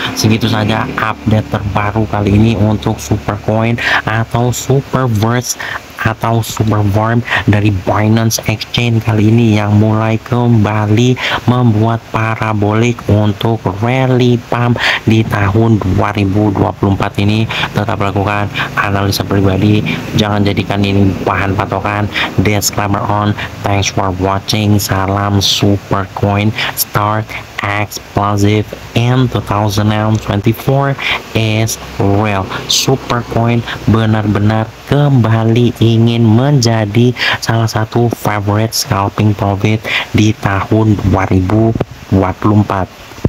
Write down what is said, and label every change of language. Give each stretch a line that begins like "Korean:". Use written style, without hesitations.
Indonesian: Segitu saja update terbaru kali ini untuk Supercoin atau Superverse atau Superfarm dari Binance Exchange kali ini yang mulai kembali membuat parabolik untuk rally pump di tahun 2024 ini. Tetap lakukan analisa pribadi, jangan jadikan ini bahan patokan.
English: Disclaimer on, thanks for watching, salam Supercoin, start explosive in 2024 is real.
Indonesian: Supercoin benar-benar kembali ingin menjadi salah satu favorite scalping profit di tahun 2024.